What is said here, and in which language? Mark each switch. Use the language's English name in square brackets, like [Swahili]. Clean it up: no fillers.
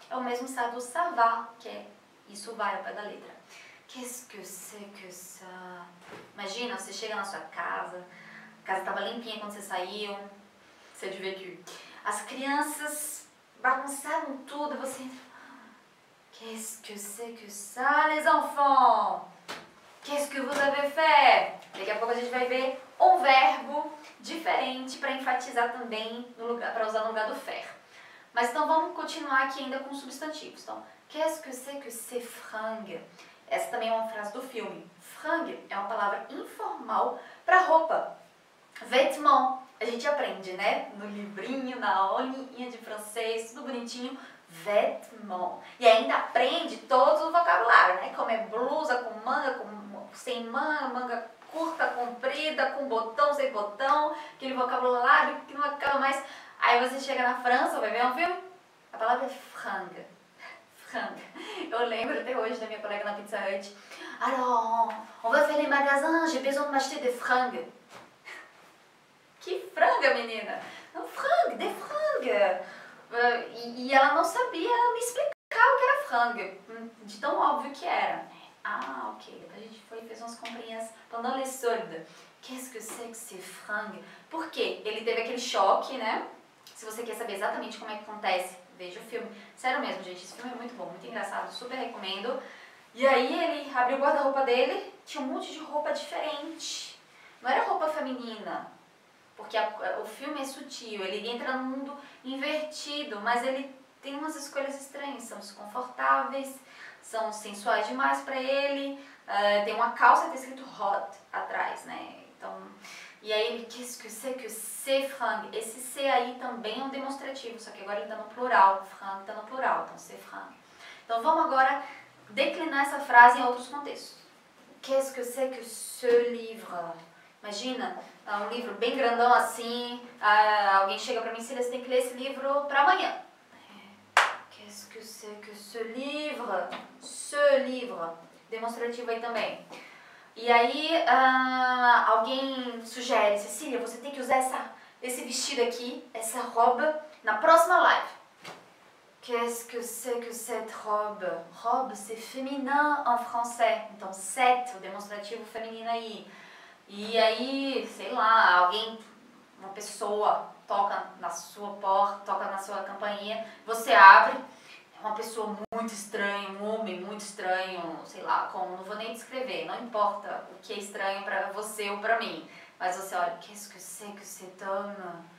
[Portuguese] É o mesmo ça do [French] ça va, [Portuguese] que é isso vai ao pé da letra. [French] Qu'est-ce que c'est que ça? [Portuguese] Imagina, você chega na sua casa, a casa estava limpinha quando você saiu. [French] C'est du vécu. [Portuguese] As crianças bagunçaram tudo, você entra. [French] Qu'est-ce que c'est que ça, les enfants? Qu'est-ce que vous avez fait? [Portuguese] Daqui a pouco a gente vai ver um verbo diferente para enfatizar também, para usar no lugar do faire. Mas então vamos continuar aqui ainda com substantivos. Então, [French] qu'est-ce que c'est fringue? [Portuguese] Essa também é uma frase do filme. Fringue é uma palavra informal para roupa. Vêtement. A gente aprende, né? No livrinho, na aulinha de francês, tudo bonitinho. Vêtement. E ainda aprende todo o vocabulário, né? Como é blusa, com manga, com sem manga, manga curta, comprida, com botão, sem botão. Aquele vocabulário que não acaba mais. Aí você chega na França, vai ver um filme? A palavra é fringue. Fringue. Eu lembro até hoje da minha colega na Pizza Hut. [French] Alors, on va faire les magasins, j'ai besoin de m'acheter des fringues. [Portuguese] Que franga, menina? Não, frangue, de franga. E ela não sabia me explicar o que era franga. De tão óbvio que era. Ah, ok. Depois a gente foi e fez umas comprinhas. [French] Pendant les soldes. Qu'est-ce que c'est que c'est franga? [Portuguese] Por quê? Ele teve aquele choque, né? Se você quer saber exatamente como é que acontece, veja o filme. Sério mesmo, gente. Esse filme é muito bom, muito engraçado. Super recomendo. E aí ele abriu o guarda-roupa dele. Tinha um monte de roupa diferente. Não era roupa feminina. Porque o filme é sutil, ele entra num mundo invertido, mas ele tem umas escolhas estranhas, são desconfortáveis, são sensuais demais pra ele, tem uma calça que tá escrito hot atrás, né? Então, e aí ele, [French] qu'est-ce que c'est fringue? [Portuguese] Esse c aí também é um demonstrativo, só que agora ele tá no plural, fringue tá no plural, então [French] c'est fringue. [Portuguese] Então vamos agora declinar essa frase em outros contextos. [French] Qu'est-ce que c'est que ce livre? [Portuguese] Imagina, um livro bem grandão assim, alguém chega pra mim e diz, você tem que ler esse livro pra amanhã. [French] Qu'est-ce que c'est que ce livre? Ce livre. [Portuguese] Demonstrativo aí também. E aí, alguém sugere, Cecília, você tem que usar esse vestido aqui, essa roupa, na próxima live. [French] Qu'est-ce que c'est que cette robe? Robe, c'est féminin en français. [Portuguese] Então, cette, o demonstrativo feminino aí. E aí, sei lá, alguém, uma pessoa toca na sua porta, toca na sua campainha, você abre, é uma pessoa muito estranha, um homem muito estranho, sei lá, como, não vou nem descrever, não importa o que é estranho pra você ou pra mim, mas você olha, [French] qu'est-ce que c'est que cet homme?